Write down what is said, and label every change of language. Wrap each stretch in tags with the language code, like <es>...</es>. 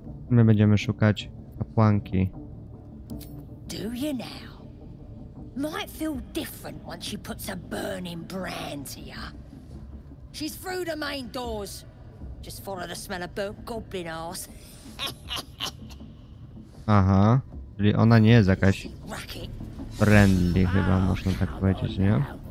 <pl>My będziemy szukać kapłanki.</pl> <en>Do you now? Might feel different once she puts a burning brand to ya. She's through the main doors. Just follow the smell of burnt goblin arse.</en> <pl>Aha, czyli ona nie jest jakaś friendly, chyba można tak powiedzieć, nie?</pl>